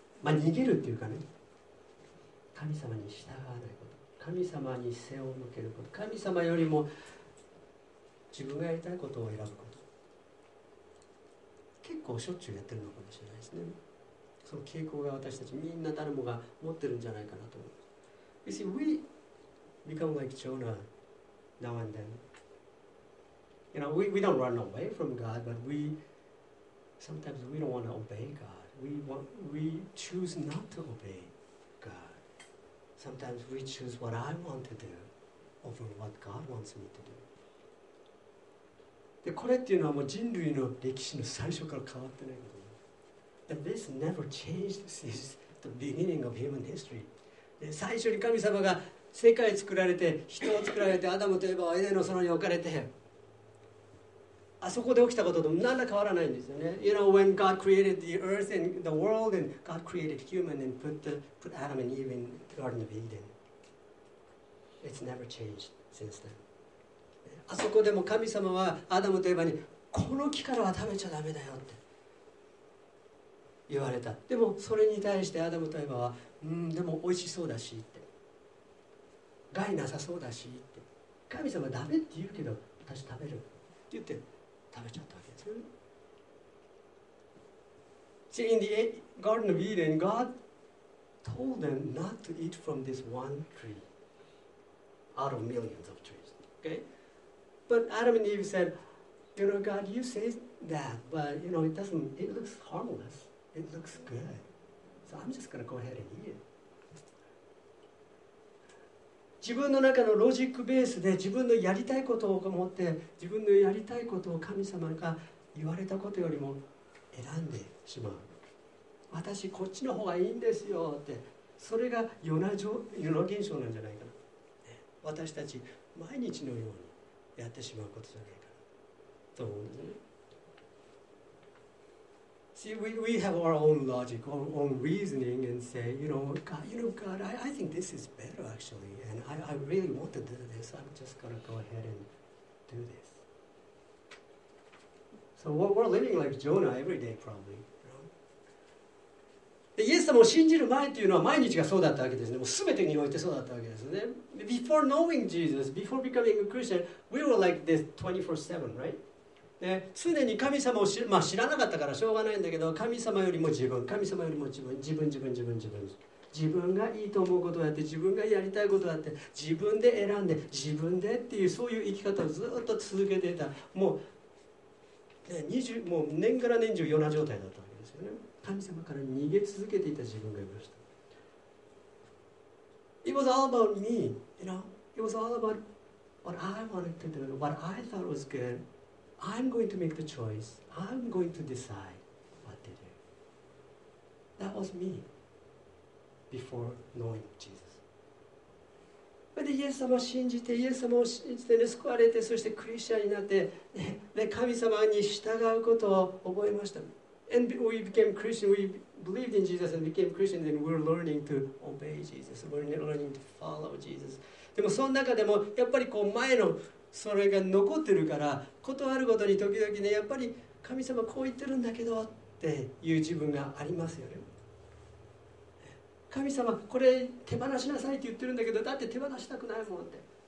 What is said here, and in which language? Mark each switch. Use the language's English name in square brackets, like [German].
[Japanese] まあ逃げるっていうかね、神様に従わないこと、神様に背を向けること、神様よりも自分がやりたいことを選ぶこと、結構しょっちゅうやってるのかもしれないですね。その傾向が私たちみんな誰もが持ってるんじゃないかなと思います。 [English] You see, we become like Jonah now and then. You know, we don't run away from God, but we sometimes we don't want to obey God. We choose not to obey God. Sometimes we choose what I want to do over what God wants me to do. [Japanese] でこれっていうのはもう人類の歴史の最初から変わってないけど、ね、 [English] And this never changed since the beginning of human history. [Japanese] で最初に神様が世界作られて、人を作られて、アダムとエヴァをエデンの園に置かれて、あそこで起きたことと何ら変わらないんですよね。 [English] You know, when God created the earth and the world, and God created human and put Adam and Eve in the Garden of Eden. It's never changed since then. [Japanese] あそこでも神様はアダムとエヴァにこの木からは食べちゃダメだよって言われた。でもそれに対してアダムとエヴァは、うん、でも美味しそうだしって、害なさそうだしって、神様ダメって言うけど私食べるって言って食べちゃったわけですよ。 [English] See, in the Garden of Eden, God told them not to eat from this one tree out of millions of trees. Okay? But Adam and Eve said, you know, God, you say that, but, you know, it looks harmless. It looks good. So I'm just going to go ahead and eat it. [Japanese] 自分の中のロジックベースで自分のやりたいことを思って、自分のやりたいことを神様が言われたことよりも選んでしまう。私、こっちの方がいいんですよって。それがヨナ現象なんじゃないかな。私たち、毎日のように。やってしまうことじゃないかと思うんですね。 [English] See, we have our own logic, our own reasoning, and say, you know, God, I think this is better actually, and I really want to do this. I'm just gonna go ahead and do this. So we're living like Jonah every day, probably. [Japanese] で、イエス様を信じる前というのは毎日がそうだったわけですね。もう全てにおいてそうだったわけですね。 [English] Before knowing Jesus, before becoming a Christian, we were like this 24/7, right? [Japanese] で、常に神様を知る、まあ知らなかったからしょうがないんだけど、神様よりも自分、神様よりも自分、自分、自分、自分、自分、自分がいいと思うことをやって、自分がやりたいことをやって、自分で選んで、自分でっていう、そういう生き方をずっと続けていた。もう、で、20、もう年から年中ヨナ状態だったわけですよね。神様から逃げ続けていた自分がいました。 [English] It was all about me, you know. It was all about what I wanted to do, what I thought was good. I'm going to make the choice. I'm going to decide what to do. That was me before knowing Jesus. [Japanese] But イエス様を信じて、イエス様を信じて、ね、救われて、そしてクリスチャンになって、ね、神様に従うことを覚えました。 [English] And we became Christian, we believed in Jesus and became Christian, and we're learning to obey Jesus, we're learning to follow Jesus. [Japanese] でもその中でもやっぱりこう前のそれが残ってるから、ことあるごとに時々ね、やっぱり神様こう言ってるんだけどっていう自分がありますよね。神様これ手放しなさいって言ってるんだけど、だって手放したくないもんって。